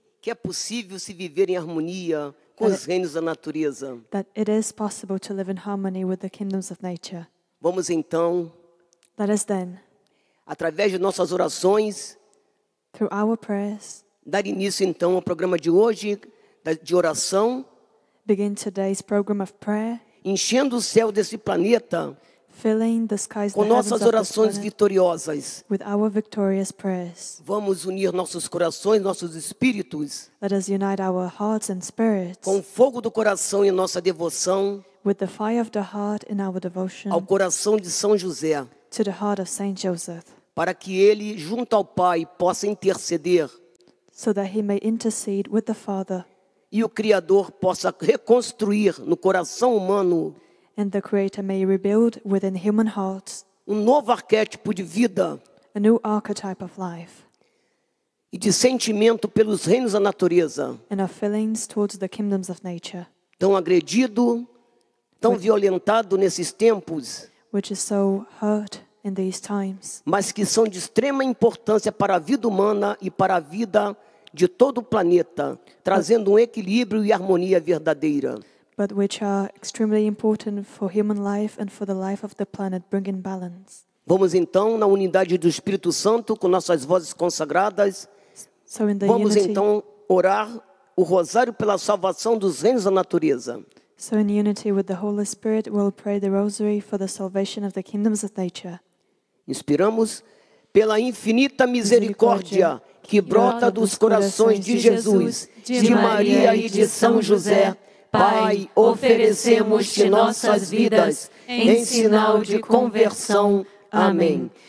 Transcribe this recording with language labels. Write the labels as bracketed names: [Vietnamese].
[Portuguese] que é possível se viver em harmonia com os reinos da natureza, [English] that it is possible to live in harmony with the kingdoms of nature. [Portuguese] Vamos então, [English] let us then, [Portuguese] através de nossas orações, [English] through our prayers, [Portuguese] dar início então ao programa de hoje de oração, [English] begin today's program of prayer, [Portuguese] enchendo o céu desse planeta com nossas orações vitoriosas. [English] With our victorious prayers. [Portuguese] Vamos unir nossos corações, nossos espíritos, [English] let us unite our hearts and spirits, [Portuguese] com o fogo do coração em nossa devoção, [English] with the fire of the heart in our devotion, [Portuguese] ao coração de São José, [English] to the heart of Saint Joseph, [Portuguese] para que ele, junto ao Pai, possa interceder, [English] so that he may intercede with the Father, [Portuguese] e o Criador possa reconstruir no coração humano, [English] and the Creator may rebuild within human hearts, [Portuguese] um novo arquétipo de vida, [English] a new archetype of life, [Portuguese] e de sentimento pelos reinos da natureza, [English] and of feelings towards the kingdoms of nature, [Portuguese] tão agredido, tão violentado nesses tempos, [English] which is so hurt in these times, [Portuguese] mas que são de extrema importância para a vida humana e para a vida de todo o planeta, trazendo um equilíbrio e harmonia verdadeira. [English] But which are extremely important for human life and for the life of the planet, bringing balance. [Portuguese] Vamos então, na unidade do Espírito Santo, com nossas vozes consagradas, [English] so in the [Portuguese] vamos [English] unity, [Portuguese] então orar o Rosário pela salvação dos reinos da natureza. [English] So in unity with the Holy Spirit, we'll pray the rosary for the salvation of the kingdoms of nature. [Portuguese] Inspiramos pela infinita misericórdia que brota dos corações de Jesus, de Maria e de São José. Pai, oferecemos-te nossas vidas em sinal de conversão. Amém.